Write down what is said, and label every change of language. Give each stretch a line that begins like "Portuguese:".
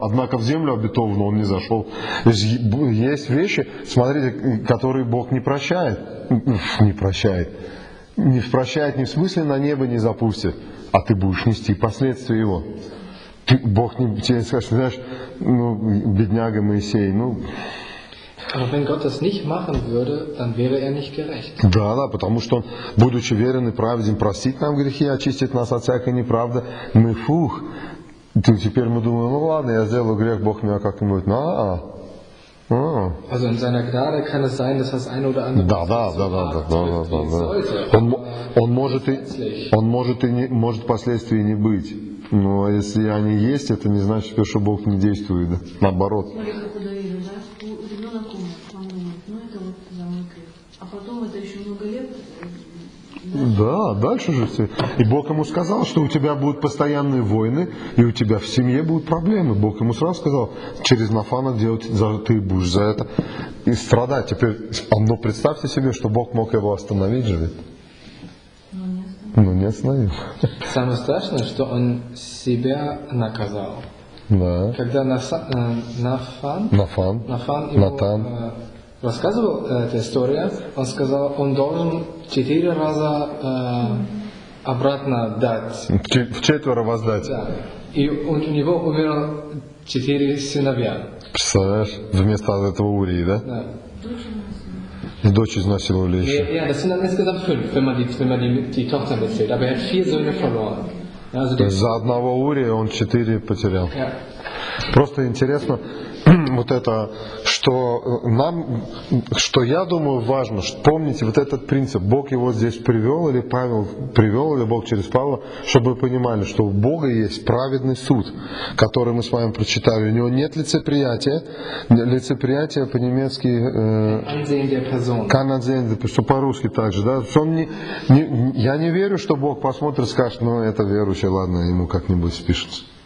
Russian: однако в землю обетованную он не зашел. Есть вещи, смотрите, которые Бог не прощает. Не прощает ни в смысле на небо не запустит. А ты будешь нести последствия его. Бог не тебе скажет, знаешь, ну, бедняга Моисей, ну...
German: Aber wenn Gott das nicht machen würde, dann wäre er nicht gerecht.
Russian: Да, потому что, будучи верен и праведен, простит нам грехи, очистит нас от всякой неправды, мы фух. Теперь мы думаем, ну ладно, я сделаю грех, Бог меня как-нибудь...
German: Also in seiner Gnade kann es sein, dass das eine oder andere
Russian: Да. Он может и не может последствий не быть. Но если они есть, это не значит, что Бог не действует. Наоборот. Смотри, как удалили, да? У ребенок умер, он умер. Ну, это вот за мой крик. А потом это еще много лет. Да, дальше же все. И Бог ему сказал, что у тебя будут постоянные войны, и у тебя в семье будут проблемы. Бог ему сразу сказал, через Нафана делать, ты будешь за это и страдать. Теперь, ну представьте себе, что Бог мог его остановить же. Но не остановил. Самое страшное, что он себя наказал. Да. Когда Нафан... Нафан его, Натан. Рассказывал эту историю, он сказал, он должен 4 раза обратно дать. В 4 воздать. Да. И у него умерло 4 сыновья. Представляешь, вместо этого Урии, да? Да. Дочь изнасиловали еще.
German: Ja, das sind dann insgesamt 5, wenn man die Tochter mitzählt. Aber er hat 4 Söhne verloren.
Russian: То есть за одного Урия он 4 потерял. Просто интересно, вот это, что нам, что я думаю важно, что помните вот этот принцип, Бог его здесь привел, или Павел привел, или Бог через Павла, чтобы вы понимали, что у Бога есть праведный суд, который мы с вами прочитали, у него нет лицеприятия, по-немецки, что по-русски также, да, он не, я не верю, что Бог посмотрит, скажет, ну это верующий, ладно, ему как-нибудь спишется.